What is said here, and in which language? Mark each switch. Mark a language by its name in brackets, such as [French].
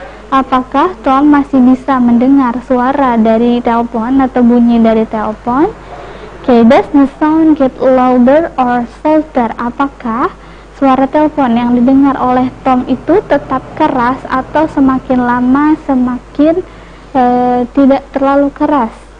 [Indonesian] Apakah Tom masih bisa mendengar suara dari telepon atau bunyi dari telepon? [English] Okay, does the sound get louder or softer? [Indonesian] Apakah suara telepon yang didengar oleh Tom itu tetap keras atau semakin lama semakin tidak terlalu keras?